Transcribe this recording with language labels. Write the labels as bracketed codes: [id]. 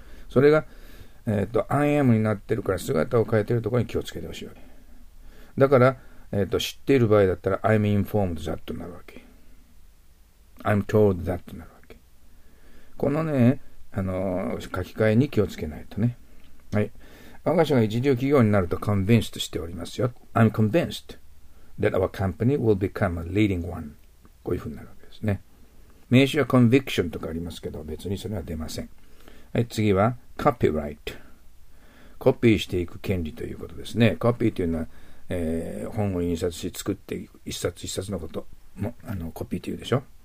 [ja] それが、I am になってるから、姿を変えているところに気をつけてほしいわけ。だから、知っている場合だったら [en] I'm informed that [ja] になるわけ、 [en] I'm told that [ja] になるわけ。このね、書き換えに気をつけないとね。はい、我が社が一流企業になると convinced しておりますよ。 [en] I'm convinced that our company will become a leading one。 [ja] こういうふうになるわけですね。名詞は conviction とかありますけど、別にそれは出ません。はい、次は copyright。コピーしていく権利ということですね。コピーというのは、本を印刷し作っていく一冊一冊のことも、コピーというでしょ。